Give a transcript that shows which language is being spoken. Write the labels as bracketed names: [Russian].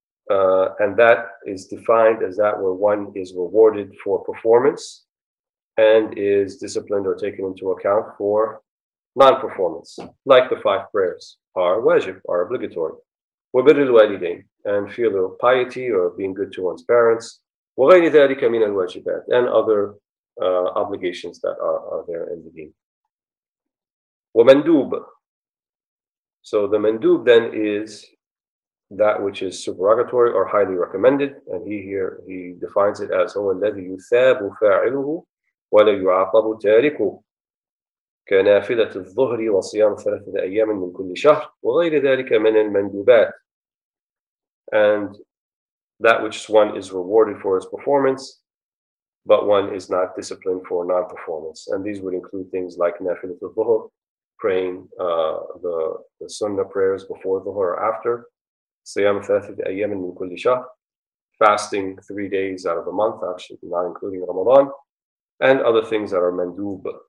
[English] And that is defined as that where one is rewarded for performance and is disciplined or taken into account for non-performance, like the five prayers are wajib, are obligatory. [Arabic] وبر الوالدين, [English] and filial piety or being good to one's parents. [Arabic] وغير ذلك من الواجبات, [English] and other obligations that are there in the deen. [Arabic] ومندوب. [English] So the mandub then is that which is supererogatory or highly recommended, and he defines it as [Arabic] هو الذي يثاب فاعله ولا يعاقب تاركه كنافلة الظهر وصيام ثلاثة أيام من كل شهر وغير ذلك من المندوبات. [English] And that which one is rewarded for his performance, but one is not disciplined for non-performance. And these would include things like [Arabic] نافلة الظهر, [English] praying the sunnah prayers before dhuhr or after, [Arabic] صيام ثلاثة أيام من كل شهر, [English] fasting 3 days out of the month, actually not including Ramadan, and other things that are mandub.